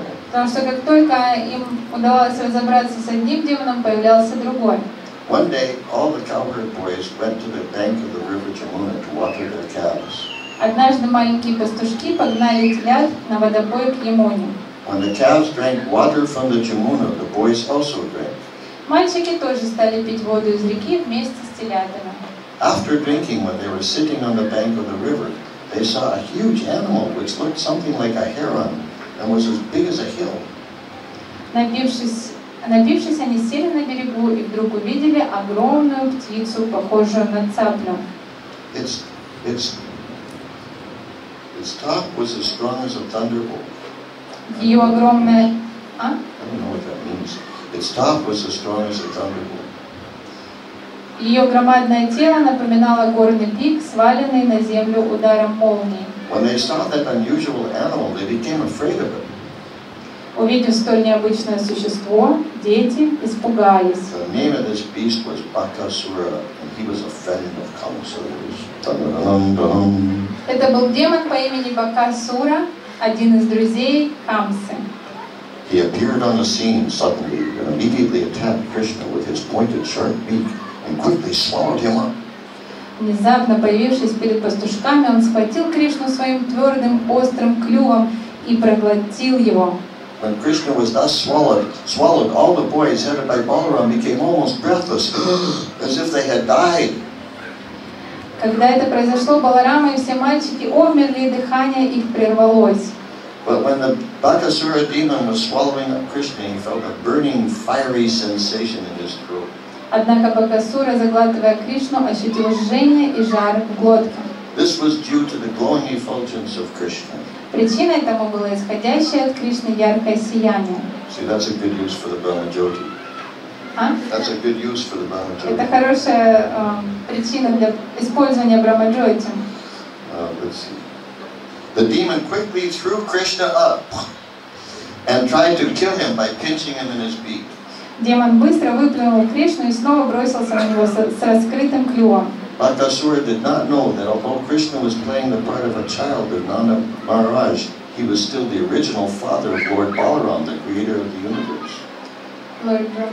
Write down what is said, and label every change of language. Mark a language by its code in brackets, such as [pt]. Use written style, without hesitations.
[ru] Потому что как только им удавалось разобраться с одним демоном, появлялся другой. [en] One day, all the cowherd boys went to the bank of the river Jamuna to water their calves. [ru] Однажды маленькие пастушки погнали телят на водопой к Ямуне. [en] When the calves drank water from the Jamuna, the boys also drank. [ru] Мальчики тоже стали пить воду из реки вместе с телятами. [en] After drinking, when they were sitting on the bank of the river, they saw a huge animal which looked something like a heron and was as big as a hill. [ru] Напившись, они сели на берегу и вдруг увидели огромную птицу, похожую на цаплю. [en] Its top was as strong as a thunderbolt. [ru] Ее огромная... А? [en] I don't know what that means. Its top was as strong as a thunderbolt. [ru] Ее громадное тело напоминало горный пик, сваленный на землю ударом молнии. [en] When they saw that unusual animal, they became afraid of it. [ru] Увидев столь необычное существо, дети испугались. [en] The name of this beast was Bakasura, and he was a friend of Kamsa's. [ru] Это был демон по имени Бакасура, один из друзей Камсы. [en] He appeared on the scene suddenly and immediately attacked Krishna with his pointed sharp beak and quickly swallowed him up. [ru] Внезапно появившись перед пастушками, он схватил Кришну своим твердым острым клювом и проглотил его. [en] When Krishna was thus swallowed, all the boys headed by Balaram became almost breathless, as if they had died. [ru] Когда это произошло, Баларама и все мальчики умерли, и дыхание их прервалось. [en] But when the Bakasura demon was swallowing up Krishna, he felt a burning, fiery sensation in his throat. [ru] Однако Бакасура, заглатывая Кришну, ощутил жжение и жар в глотке. [en] This was due to the glowing effulgence of Krishna. [ru] Причиной тому было исходящее от Кришны яркое сияние. [en] See, that's a good use for the Brahma-jyoti. That's a good use for the Brahma-jyoti. [ru] Это хорошая причина для использования Брахма-джоти. [en] Let's see. The demon quickly threw Krishna up and tried to kill him by pinching him in his beak. [ru] Демон быстро выплюнул Кришну и снова бросился на него с раскрытым клювом. [en] Bakasura did not know that although Krishna was playing the part of a child of Nanda Maharaj, he was still the original father of Lord Balaram, the creator of the universe.